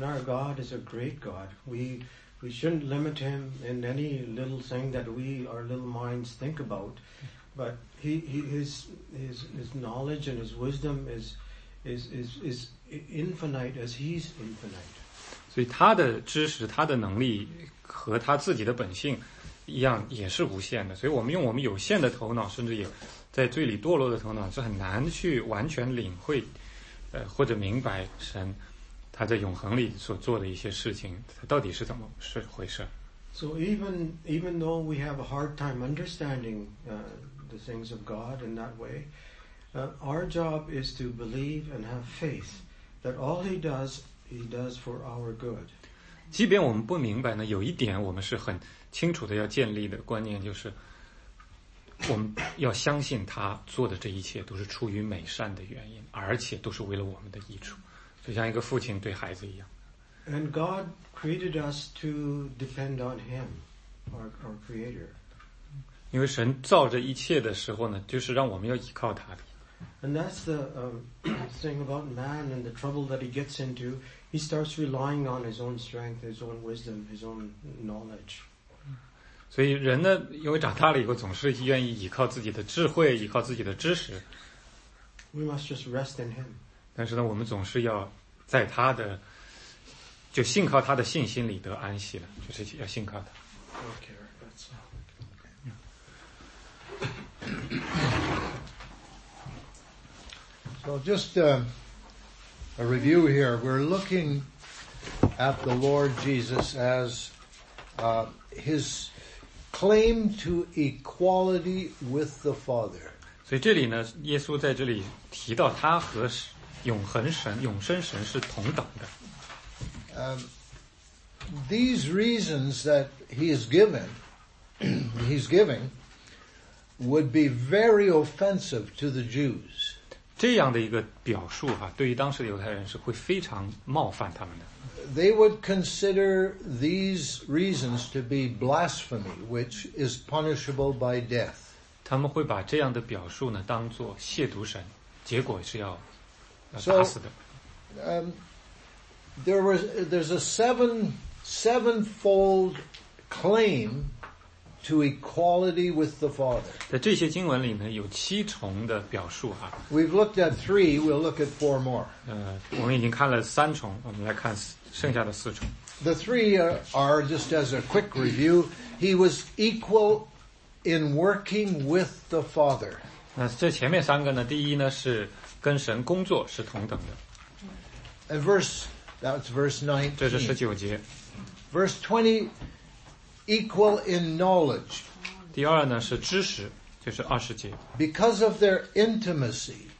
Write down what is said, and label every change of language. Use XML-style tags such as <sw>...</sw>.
<en>And our God is a great God. We shouldn't limit him in any little thing that we, our little minds think about. But his knowledge and his wisdom is infinite as he's infinite.</en> <zh>所以他的知识他的能力和他自己的本性一样也是无限的。所以我们用我们有限的头脑甚至也在罪里堕落的头脑是很难去完全领会或者明白神。他在永恒里所做的一些事情，他到底是怎么是回事</zh> <en>？So even though we have a hard time understanding the things of God in that way, our job is to believe and have faith that all He does for our good.</en> <zh>即便我们不明白呢，有一点我们是很清楚的要建立的观念，就是我们要相信他做的这一切都是出于美善的原因，而且都是为了我们的益处。就像一个父亲对孩子一样。</zh> <en>And God created us to depend on Him, our Creator.</en> <zh>因为神造这一切的时候呢，就是让我们要依靠他的。</zh> <en>And that's the thing about man and the trouble that he gets into. He starts relying on his own strength, his own wisdom, his own knowledge.</en> <zh>所以人呢，因为长大了以后，总是愿意依靠自己的智慧，依靠自己的知识。</zh> <en>We must just rest in Him.</en> <zh>但是呢，我们总是要在他的，就信靠他的信心里得安息了，就是要信靠他。</zh> <en>Okay, that's all. So just a review here. We're looking at the Lord Jesus as his claim to equality with the Father.</en> <zh>所以这里呢，耶稣在这里提到他和永恒神、永生神是同等的。</zh> <en>These reasons that he's giving, would be very offensive to the Jews.</en> <zh>这样的一个表述哈，对于当时的犹太人是会非常冒犯他们的。</zh> <en>They would consider these reasons to be blasphemy, which is punishable by death.</en> <zh>他们会把这样的表述呢当作亵渎神，结果是要打死的。</zh> <en>There's a sevenfold claim to equality with the Father.</en> <zh>在这些经文里呢，有七重的表述啊。</zh> <en>We've looked at three. We'll look at four more.</en> <zh>我们已经看了三重，我们来看剩下的四重。</zh> <en>The three are just as a quick review. He was equal in working with the Father.</en> <zh>那这前面三个呢？第一呢是跟神工作是同等的。</zh> <en>That's verse 19.</en> <zh>这是十九节。</zh> <en>Verse 20, equal in knowledge.</en> <zh>第二呢是知识，就是二十节。</zh> <en>Because of their intimacy,</en>